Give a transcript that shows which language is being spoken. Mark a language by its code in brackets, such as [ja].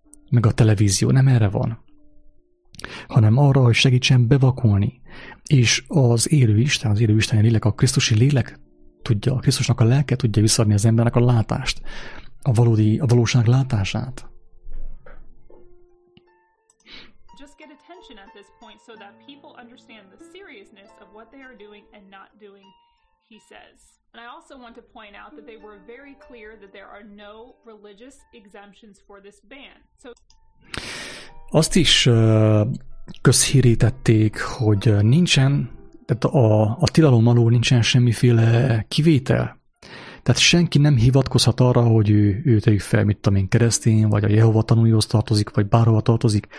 [hu] Meg a televízió nem erre van. Hanem arra, hogy segítsen bevakulni. És az élő Isten lélek, a Krisztusi lélek tudja, a Krisztusnak a lelke tudja visszaadni az embernek a látást. A valódi, a valóság látását. [en] Just get attention at this point so that people understand the seriousness of what they are doing and not doing, he says. And I also want to point out that they were very clear that there are no religious exemptions for this ban. So [hu] azt is közhírítették, hogy nincsen, tehát a tilalom alól nincsen semmiféle kivétel. Tehát senki nem hivatkozhat arra, hogy ő tegyük fel, mit tudom én, keresztény, vagy a Jehova tanújóhoz tartozik, vagy bárhova tartozik.